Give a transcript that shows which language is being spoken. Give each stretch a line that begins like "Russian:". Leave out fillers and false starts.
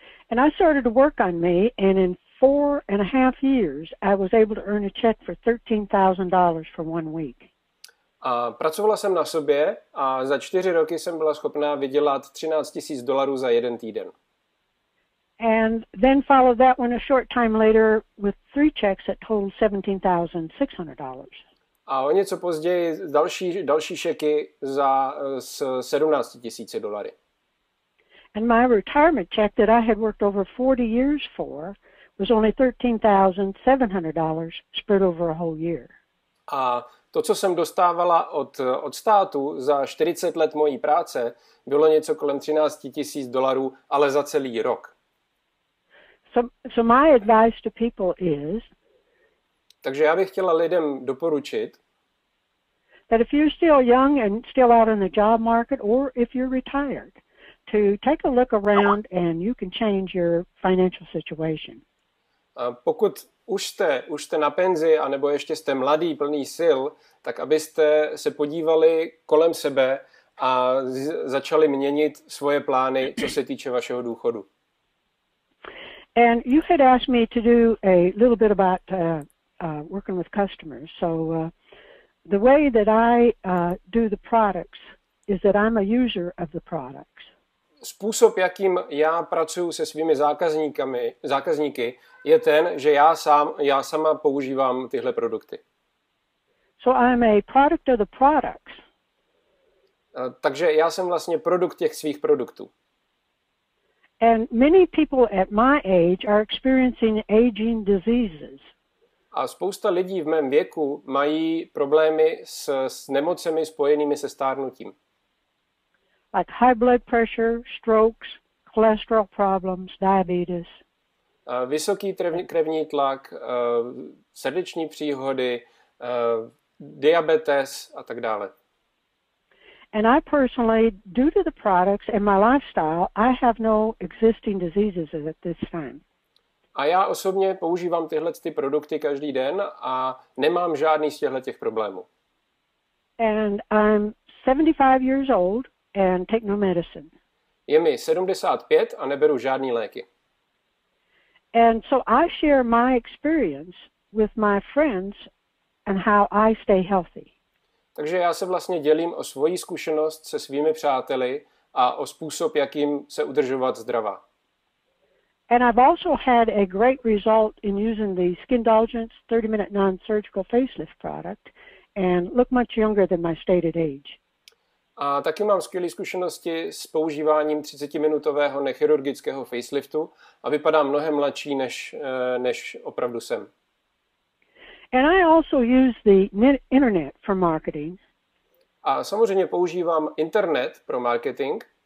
English: And I started to work on me, and in 4.5 years, I was able to earn a check for $13,000 for 1 week.
Czech: A pracovala jsem na sobě a za 4 roky jsem byla schopná vydělat $13,000 za 1 týden.
English: And then followed that one a short time later with 3 checks that totaled $17,600.
Czech: A o něco později další šeky za s $17,000.
English: And my retirement check that I had worked over 40 years for was only $13,700 spread over a whole year.
Czech: A to, co jsem dostávala od státu za 40 let mojí práce, bylo něco kolem $13,000, ale za celý rok.
English: So my advice to people is,
Czech: takže já bych chtěla lidem doporučit,
English: that if you're still young and still out in the job market, or if you're retired, to take a look around and you can change your financial situation.
Czech: A pokud už jste na penzi, anebo ještě jste mladý, plný sil, tak abyste se podívali kolem sebe a začali měnit svoje plány, co se týče vašeho důchodu.
English: And you had asked me to do a little bit about working with customers. So the way that I do the products is that I'm a user of the products.
Czech: způsob, jakým já pracuji se svými zákazníky, je ten, že já sama používám tyhle produkty.
English: So I'm a product of the products.
Czech: Takže já jsem vlastně produkt těch svých produktů.
English: And many people at my age are experiencing aging diseases.
Czech: A spousta lidí v mém věku mají problémy s nemocemi spojenými se stárnutím.
English: Like high blood pressure, strokes, cholesterol problems, diabetes.
Czech: Vysoký krevní tlak, srdeční příhody, diabetes a tak dále.
English: And I personally, due to the products and my lifestyle, I have no existing diseases at this time.
Czech: A já osobně používám tyhle ty produkty každý den a nemám žádný z těchto problémů.
English: And I'm 75 years old and take no medicine.
Czech: Je mi 75 a neberu žádný léky.
English: And so I share my experience with my friends and how I stay healthy.
Czech: Takže já se vlastně dělím o svoji zkušenost se svými přáteli a o způsob, jakým se udržovat zdravá.
English: And I've also had a great result in using the Skindulgence 30-minute non-surgical facelift product and look much younger than my stated age.
Czech: A taky mám skvělé zkušenosti s používáním 30-minutového nechirurgického faceliftu a vypadám mnohem mladší, než opravdu jsem.
English: And I also use the internet for marketing.
Czech: A samozřejmě používám internet pro marketing.